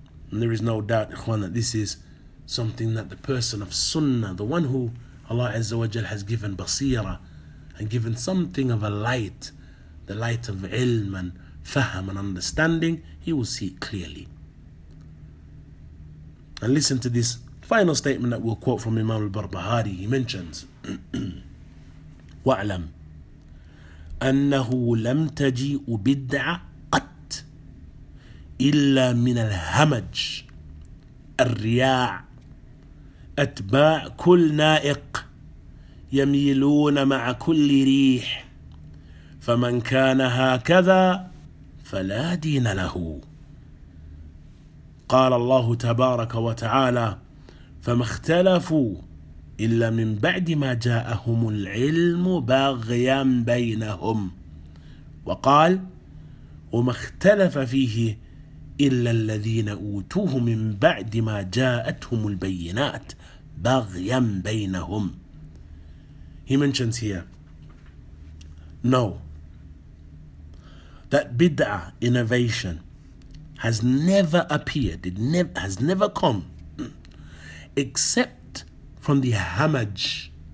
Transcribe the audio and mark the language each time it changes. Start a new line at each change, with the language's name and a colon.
English: And there is no doubt, Ikhwan, that this is something that the person of Sunnah, the one who Allah Azza wa Jal has given basira and given something of a light, the light of ilm and faham and understanding, he will see it clearly. And listen to this final statement that we'll quote from Imam al-Barbahari. He mentions,
Arabic: وَعْلَمْ أَنَّهُ لَمْ تَجِئُ بِدْعَ قَتْ إِلَّا مِنَ الْهَمَجْ الرِّيَاعِ أَتْبَاعُ كُلْ نَائِقُ يَمِيلُونَ مَعَ كُلِّ رِيحِ فَمَنْ كَانَ هَكَذَا فَلَا دِينَ لَهُ. قال الله تبارك وتعالى فما اختلفوا إلا من بعد ما جاءهم العلم باغيا بينهم وقال وما اختلف فيه إلا الذين أوتوه من بعد ما جاءتهم البينات باغيا بينهم.
English: He mentions here, no, that bid'ah, innovation, has never appeared, it has never come, except from the hamaj,